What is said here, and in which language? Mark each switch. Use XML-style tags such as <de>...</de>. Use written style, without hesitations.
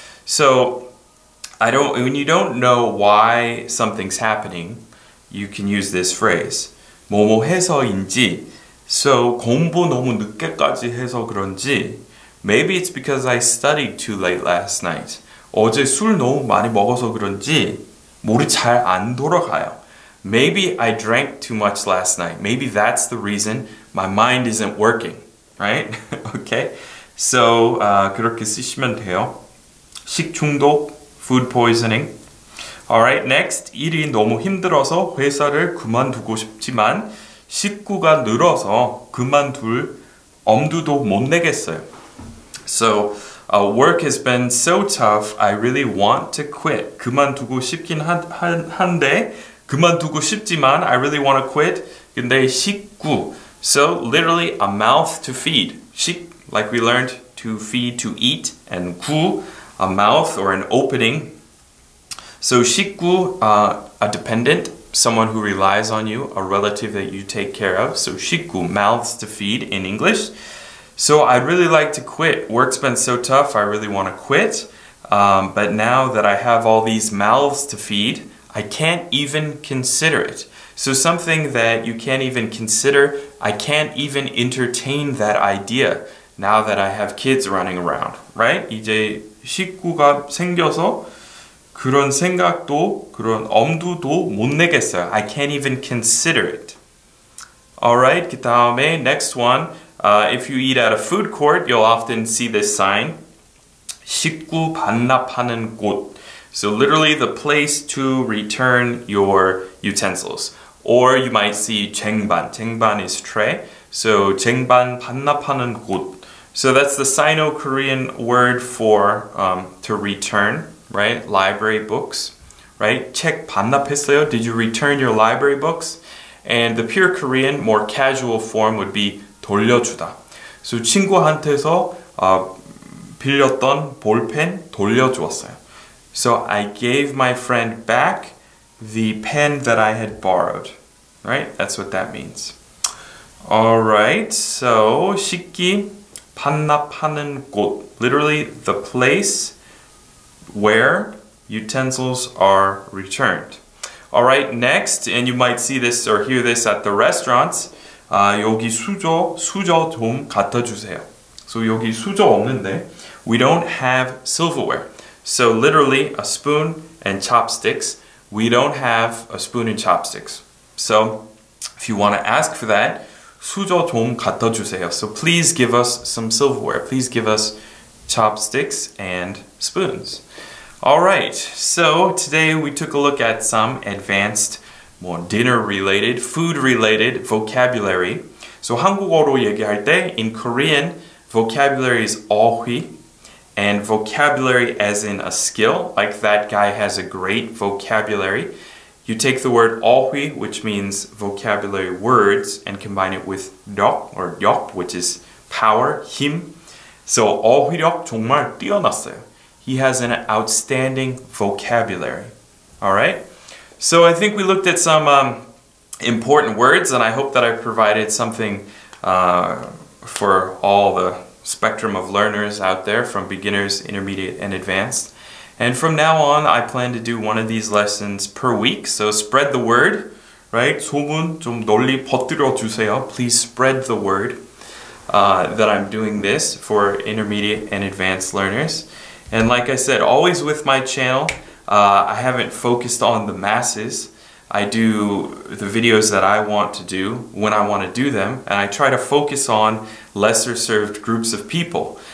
<en>So when you don't know why something's happening, you can use this phrase.</en> <ko>뭐뭐 해서인지. So 공부 너무 늦게까지 해서 그런지.</ko> <en>Maybe it's because I studied too late last night.</en> <ko>어제 술 너무 많이 먹어서 그런지 머리 잘 안 돌아가요.</ko> <en>Maybe I drank too much last night. Maybe that's the reason my mind isn't working. Right? Okay?</en> <ko>So, 그렇게 쓰시면 돼요.</ko> <en>식중독, food poisoning. Alright, next.</en> <ko>일이 너무 힘들어서 회사를 그만두고 싶지만 식구가 늘어서 그만둘 엄두도 못 내겠어요.</ko> <en>So, work has been so tough, I really want to quit.</en> <ko>그만두고 싶긴 한데, 그만두고 싶지만,</ko> <en>I really want to quit.</en> <ko>근데</ko> <en>식구. So, literally, a mouth to feed. 식, like we learned, to feed, to eat. And 구, a mouth or an opening. So, 식구, a dependent, someone who relies on you, a relative that you take care of. So, 식구, mouths to feed in English. So I'd really like to quit. Work's been so tough, I really want to quit. But now that I have all these mouths to feed, I can't even consider it. So something that you can't even consider, I can't even entertain that idea now that I have kids running around, right?</en> <ko>이제 식구가 생겨서 그런 생각도 그런 엄두도 못 내겠어요.</ko> <en>I can't even consider it. Alright,</en> <ko>그 다음에</ko> <en>next one. If you eat at a food court, you'll often see this sign.</en> <ko>식구 반납하는 곳.</ko> <en>So literally the place to return your utensils. Or you might see 쟁반. 쟁반 is tray.</en> <ko>So 쟁반 반납하는 곳.</ko> <en>So that's the Sino-Korean word for to return, right? Library books, right?</en> <ko>책 반납했어요.</ko> <en>Did you return your library books? And the pure Korean, more casual form would be 돌려주다.</en> <ko>So 친구한테서 빌렸던 볼펜 돌려주었어요.</ko> <en>So I gave my friend back the pen that I had borrowed. Right? That's what that means. Alright, so</en> <ko>식기 반납하는 곳.</ko> <en>Literally, the place where utensils are returned. Alright, next, and you might see this or hear this at the restaurants.</en> <ko>여기 수저 좀 갖다 주세요.</ko> <en>So</en> <ko>여기 수저 없는데.</ko> <en>We don't have silverware. So literally, a spoon and chopsticks. We don't have a spoon and chopsticks. So if you want to ask for that,</en> <ko>수저 좀 갖다 주세요.</ko> <en>So please give us some silverware. Please give us chopsticks and spoons. All right, so today we took a look at some advanced, more dinner-related, food-related vocabulary. So</en> <ko>한국어로 얘기할 때,</ko> <en>in Korean, vocabulary is 어휘, and vocabulary as in a skill, like that guy has a great vocabulary. You take the word 어휘, which means vocabulary words, and combine it with 력, or 역, which is power, 힘. So</en> <ko>어휘력 정말 뛰어났어요.</ko> <en>He has an outstanding vocabulary. Alright? So I think we looked at some important words, and I hope that I provided something for all the spectrum of learners out there, from beginners, intermediate, and advanced. And from now on, I plan to do one of these lessons per week, so spread the word, right?</en> <ko>소문 좀 널리 퍼뜨려 주세요.</ko> <en>Please spread the word that I'm doing this for intermediate and advanced learners. And like I said, always with my channel, I haven't focused on the masses. I do the videos that I want to do when I want to do them, and I try to focus on lesser served groups of people.</en>